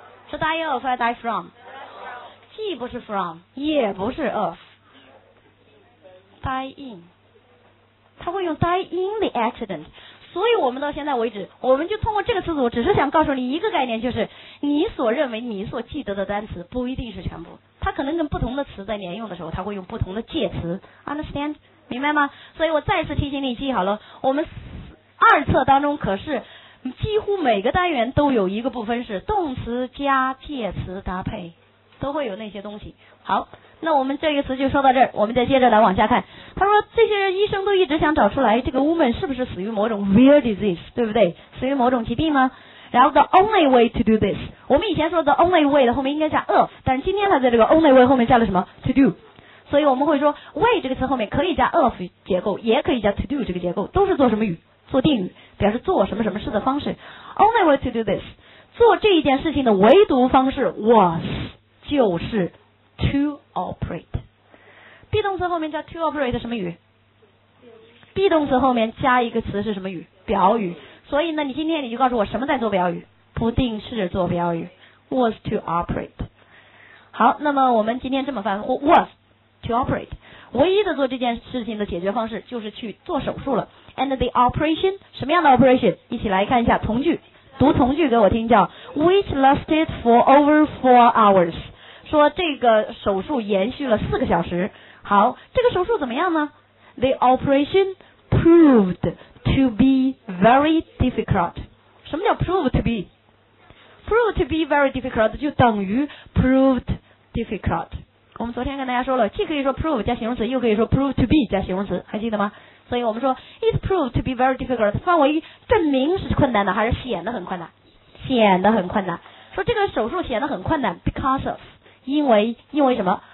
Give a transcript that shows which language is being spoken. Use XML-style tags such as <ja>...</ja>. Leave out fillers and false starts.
<en>是 die of 还是 die from？</en> <zh>既不是</zh> <en>from 也不是 of， die in，</en> <zh>他会用</zh> <en>die in the accident。</en> <zh>所以我们到现在为止，我们就通过这个词组，只是想告诉你一个概念，就是你所认为你所记得的单词不一定是全部，他可能跟不同的词在连用的时候，他会用不同的介词。 understand， 明白吗？所以我再次提醒你，记好了，我们二册当中可是几乎每个单元都有一个部分是动词加介词搭配，都会有那些东西。好，那我们这个词就说到这儿，我们再接着来往下看。他说这些人医生都一直想找出来这个 woman 是不是死于某种 rare disease， 对不对？死于某种疾病呢？然后</zh> <en>the only way to do this，</en> <zh>我们以前说 the only way 的后面应该加 of， 但是今天他在这个 only way 后面加了什么 to do， 所以我们会说 way 这个词后面可以加 of 结构，也可以加 to do 这个结构，都是做什么语？做定语，表示做什么什么事的方式。</zh> <en>only way to do this，</en> <zh>做这一件事情的唯独方式 was， 就是 to operate。 be 动词后面加 to operate 什么语？be 动词后面加一个词是什么语？表语。所以呢，你今天你就告诉我什么在做表语？不定式做表语，</zh> <en>was to operate。</en> <zh>好，那么我们今天这么翻，</zh> <en>was to operate，</en> <zh>唯一的做这件事情的解决方式就是去做手术了。</zh> <en>and the operation， 什么样的 operation？</en> <zh>一起来看一下从句，读从句给我听，叫</zh> <en>which lasted for over 4 hours，</en> <zh>说这个手术延续了4个小时。好，这个手术怎么样呢？</zh> <en>the operation proved to be very difficult。什么叫 prove to be？ prove to be very difficult</en> <zh>就等于</zh> <en>proved difficult。</en> <zh>我们昨天跟大家说了，既可以说 prove 加形容词，又可以说 prove to be 加形容词，还记得吗？所以我们说</zh> <en>it proved to be very difficult，</en> <zh>范围证明是困难的还是显得很困难？显得很困难。说这个手术显得很困难，</zh> <en>because of，</en> <zh>因为什么？</zh>